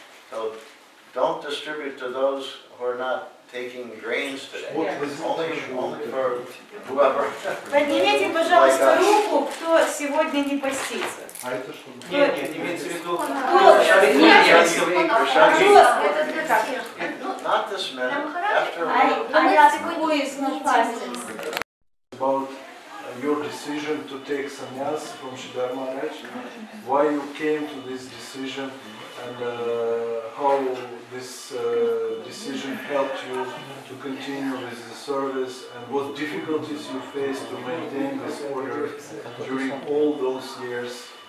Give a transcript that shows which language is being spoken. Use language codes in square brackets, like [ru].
[en] So don't distribute to those who are not taking grains today. Only for whoever. [ru] Поднимите, пожалуйста, руку, кто сегодня не постится. [en] About your decision to take sannyas from Sridhar Maharaj, why you came to this decision, and how this decision helped you to continue with the service, and what difficulties you faced to maintain this order during all those years.